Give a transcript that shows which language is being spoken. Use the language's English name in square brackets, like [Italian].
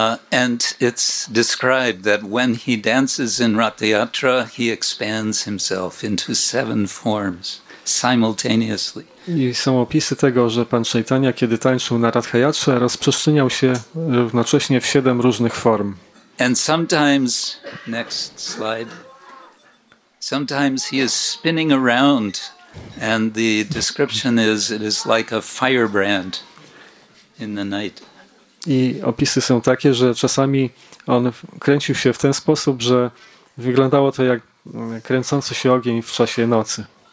[English] And it's described that when he dances in Radha Yatra, he expands himself into 7 forms simultaneously. [Polish] I są opisy tego, że pan Chaitanya, kiedy tańczył na Radha Yatrze, rozprzestrzeniał się równocześnie w 7 różnych form. [English] And sometimes, next slide. Sometimes he is spinning around, and the description is it is like a firebrand in the night. [Polish] I opisy są takie, że czasami on kręcił się w ten sposób, że wyglądało to jak kręcący się ogień w czasie nocy.